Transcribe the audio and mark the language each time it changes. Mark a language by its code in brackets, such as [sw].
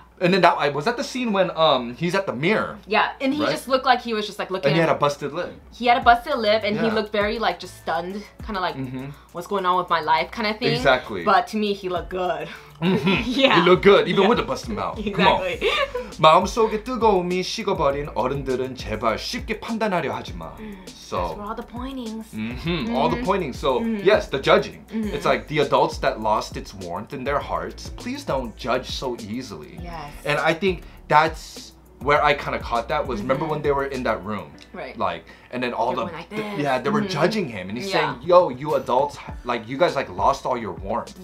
[en] And then that, was that the scene when he's at the mirror? Yeah, and he just looked like he was just like looking. And he had a busted lip. He had a busted lip and he looked very like just stunned. Kind of like, what's going on with my life kind of thing. Exactly. But to me, he looked good. You look good, even with a busted mouth. Exactly. Come on. [ko] 마음속에 뜨거움이 식어버린 어른들은 제발 쉽게 판단하려 하지 마. [en] So, for all the pointings. All the pointings. So, yes, the judging. It's like the adults that lost its warmth in their hearts, please don't judge so easily. Yes. And I think that's where I kind of caught that was, remember when they were in that room? Right. Like, and then all they're the, like they were judging him. And he's saying, yo, you adults, like, you guys, like, lost all your warmth.